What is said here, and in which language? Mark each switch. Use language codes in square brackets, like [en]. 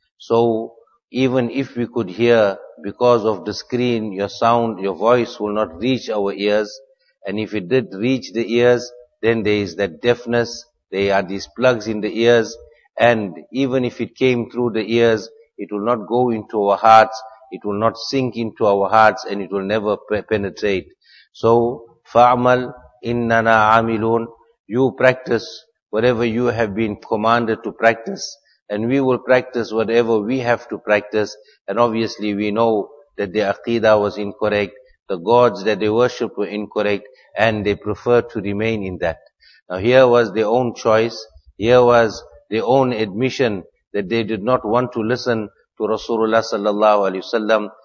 [en] So even if we could hear, because of the screen, your sound, your voice will not reach our ears. And if it did reach the ears, then there is that deafness. They are these plugs in the ears, and even if it came through the ears, it will not go into our hearts, it will not sink into our hearts, and it will never penetrate. [ar] So, فَعْمَلْ إِنَّنَا عَمِلُونَ. [en] You practice whatever you have been commanded to practice, and we will practice whatever we have to practice. And obviously we know that the aqidah was incorrect, the gods that they worshipped were incorrect, and they preferred to remain in that. Now here was their own choice, here was their own admission that they did not want to listen to Rasulullah sallallahu alayhi wa sallam.